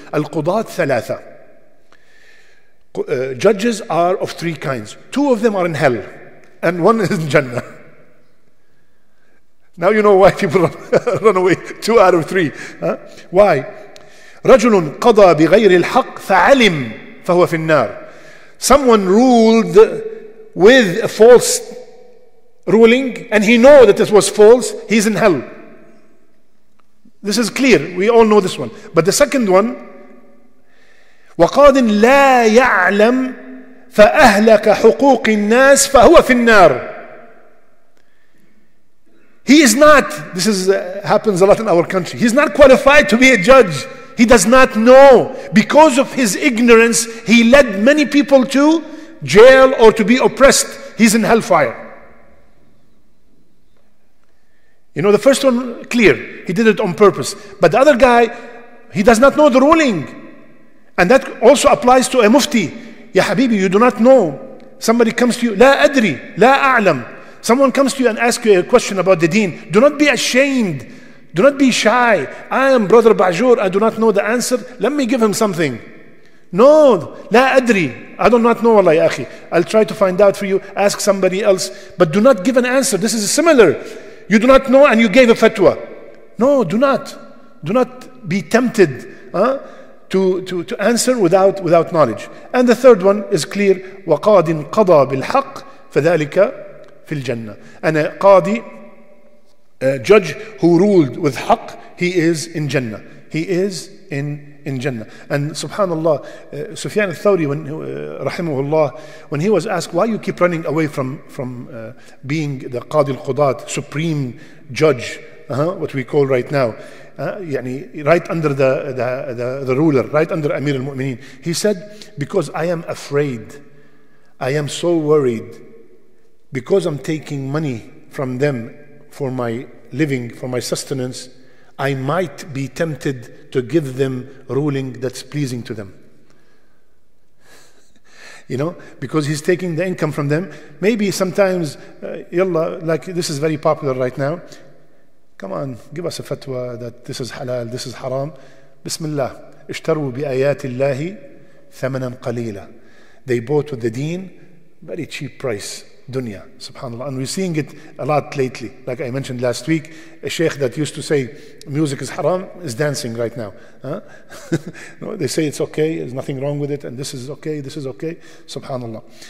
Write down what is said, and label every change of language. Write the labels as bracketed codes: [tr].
[ar] Al-qudat thalatha. [en] Judges are of three kinds. Two of them are in hell, and one is in Jannah. Now you know why people run away. Two out of three. Why? [ar] رجل قضى بغير الحق فعلم فهو في النار. [en] Someone ruled with a false ruling, and he knew that this was false. He's in hell. This is clear. We all know this one. But the second one, [ar] وقاض لا يعلم فأهلك حقوق الناس فهو في النار. [en] He is not, this is happens a lot in our country, he's not qualified to be a judge. He does not know. Because of his ignorance, he led many people to jail or to be oppressed. He's in hellfire. You know, the first one, clear. He did it on purpose. But the other guy, he does not know the ruling. And that also applies to a mufti. Ya Habibi, you do not know. Somebody comes to you, [ar] لا أدري, لا أعلم. [en] Someone comes to you and asks you a question about the deen. Do not be ashamed. Do not be shy. I am Brother Bajur. I do not know the answer. Let me give him something. [ar] No. لا أدري. [en] I do not know, Allah, [ar] يا أخي. [en] I'll try to find out for you. Ask somebody else. But do not give an answer. This is similar. You do not know and you gave a fatwa. No, do not. Do not be tempted to answer without knowledge. And the third one is clear. [ar] وَقَادٍ قَضَى بِالْحَقِّ فَذَلِكَ في الجنة. [en] And a qadi, a judge who ruled with haq, he is in Jannah. And subhanAllah, Sufyan al-Thawri, when rahimahullah, when he was asked, why you keep running away from being the qadi al-qudat, supreme judge, what we call right now, يعني, right under the ruler, right under Amir al-Mu'mineen, he said, because I am afraid, I am so worried, because I'm taking money from them for my living, for my sustenance, I might be tempted to give them ruling that's pleasing to them. You know, because he's taking the income from them. Maybe sometimes, like this is very popular right now. Come on, give us a fatwa that this is halal, this is haram. Bismillah. [ar] اشتروا بآيات الله ثمنا قليلا. [en] They bought with the deen, very cheap price, dunya, subhanAllah. And we're seeing it a lot lately. Like I mentioned last week, a sheikh that used to say music is haram is dancing right now. No, they say it's okay, there's nothing wrong with it, and this is okay, this is okay, subhanAllah.